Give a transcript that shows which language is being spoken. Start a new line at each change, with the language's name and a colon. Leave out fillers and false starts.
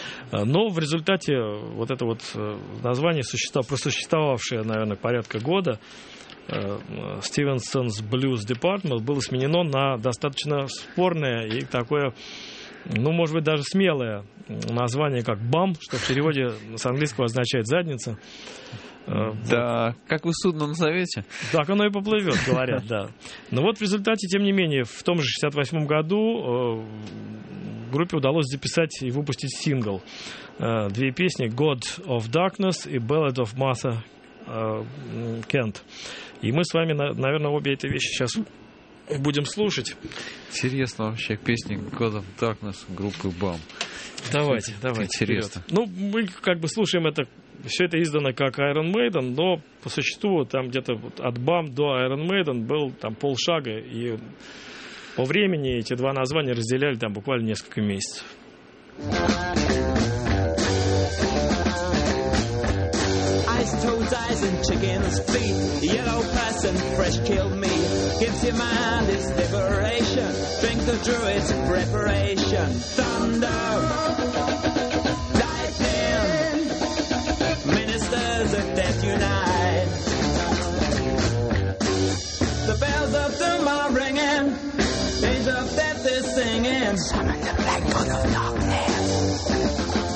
Russian: Но в результате вот это вот название, просуществовавшее, наверное, порядка года, Stevenson's Blues Department, было сменено на достаточно спорное и такое, ну, может быть, даже смелое название, как BAM, что в переводе с английского означает «задница». Да, вот. Как вы судно назовете? Так оно и поплывет, говорят, да. Но вот в результате, тем не менее, в том же 68-м году группе удалось записать и выпустить сингл. Две песни «God of Darkness» и «Ballad of Martha Kent». И мы с вами, наверное, обе эти вещи сейчас будем слушать. Интересно вообще, песни «God of Darkness» группы «Бам». Давайте, давайте. Интересно. Вперед. Ну, мы как бы слушаем это, все это издано как Iron Maiden, но по существу там где-то вот от «Бам» до Iron Maiden был там полшага, и по времени эти два названия разделяли там буквально несколько месяцев.
English: Ice toes, eyes and chicken's feet, yellow pus and fresh killed meat, gives your mind its liberation, drink the druid's preparation, thunder, dive in, ministers of death unite, the bells of doom are ringing, age of death is singing, summon the black god of darkness.